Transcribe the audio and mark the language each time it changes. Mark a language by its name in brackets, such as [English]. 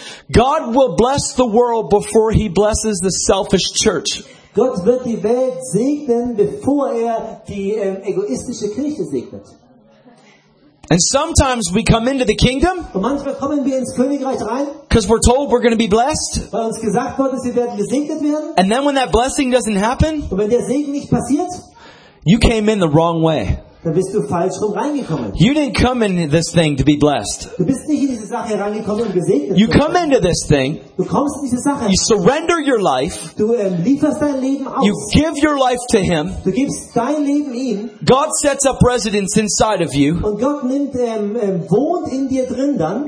[English] God will bless the world before he blesses the selfish church. [German] Gott wird die Welt segnen, bevor die egoistische Kirche segnet. [English] And sometimes we come into the kingdom [German] und manchmal kommen wir ins Königreich rein, [English] because we're told we're going to be blessed. [German] Weil uns gesagt worden ist, wir werden gesegnet werden. [English] And then when that blessing doesn't happen, [German] und wenn der Segen nicht passiert, [English] you came in the wrong way. [German] Dann bist du falsch rum reingekommen. [English] You didn't come in this thing to be blessed. [German] Du bist nicht in diese Sache reingekommen und gesegnet. [English] You come into this thing. [German] Du kommst in diese Sache. [English] You surrender your life. [German] Du lieferst dein Leben aus. [English] You give your life to him. [German] Du gibst dein Leben ihm. [English] God sets up residence inside of you. [German] Und Gott nimmt wohnt in dir drin dann.